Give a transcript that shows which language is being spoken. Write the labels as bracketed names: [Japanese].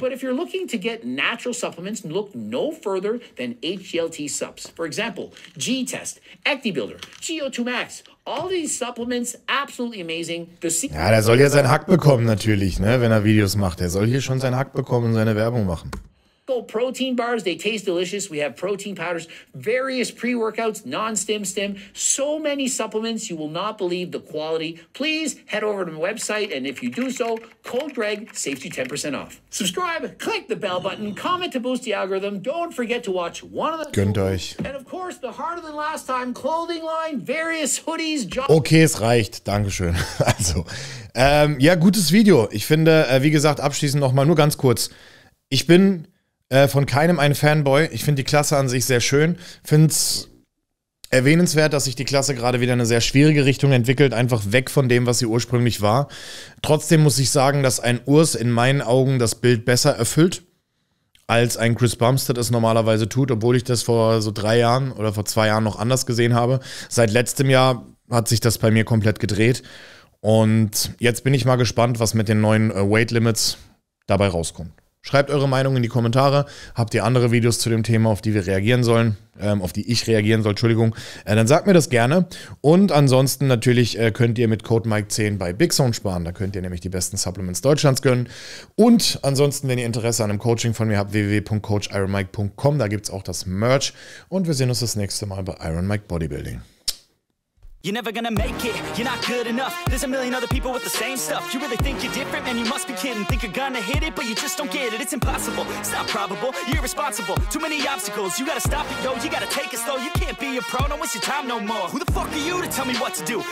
[English] But if you're looking to get natural supplements, look no further than HGLT subs. For example, G-Test, ActiBuilder, GO2 Max, all these supplements, absolutely amazing. [German] Ja, der soll ja sein Hack bekommen natürlich, ne, wenn er Videos macht. Der soll hier schon sein Hack bekommen und seine Werbung machen. [English] Protein bars, they taste delicious. We have protein powders, various pre-workouts, non-stim, so many supplements, you will not believe the quality. Please head over to my website, and if you do so, code Greg saves you 10% off. Subscribe, click the bell button, comment to boost the algorithm. Don't forget to watch one of the... [German] Gönnt euch. [English] And of course, the harder than last time clothing line, various hoodies... [German] Okay, es reicht. Dankeschön. Also, ja, gutes Video. Ich finde, wie gesagt, abschließend nochmal nur ganz kurz. Ich bin... von keinem ein Fanboy. Ich finde die Klasse an sich sehr schön. Finde es erwähnenswert, dass sich die Klasse gerade wieder eine sehr schwierige Richtung entwickelt, einfach weg von dem, was sie ursprünglich war. Trotzdem muss ich sagen, dass ein Urs in meinen Augen das Bild besser erfüllt. als ein Chris Bumstead es normalerweise tut, obwohl ich das vor so 3 Jahren oder vor 2 Jahren noch anders gesehen habe. Seit letztem Jahr hat sich das bei mir komplett gedreht. Und jetzt bin ich mal gespannt, was mit den neuen Weight Limits dabei rauskommt. Schreibt eure Meinung in die Kommentare. Habt ihr andere Videos zu dem Thema, auf die wir reagieren sollen, auf die ich reagieren soll, Entschuldigung, dann sagt mir das gerne. Und ansonsten natürlich könnt ihr mit Code Mike10 bei Big Zone sparen. Da könnt ihr nämlich die besten Supplements Deutschlands gönnen. Und ansonsten, wenn ihr Interesse an einem Coaching von mir habt, www.coachironmike.com. Da gibt es auch das Merch. Und wir sehen uns das nächste Mal bei Iron Mike Bodybuilding. [English] You're never gonna make it, you're not good enough. There's a million other people with the same stuff. You really think you're different, man, you must be kidding. Think you're gonna hit it, but you just don't get it. It's impossible, it's not probable, you're irresponsible. Too many obstacles, you gotta stop it, yo. You gotta take it slow, you can't be a pro. Don't waste your time no more. Who the fuck are you to tell me what to do?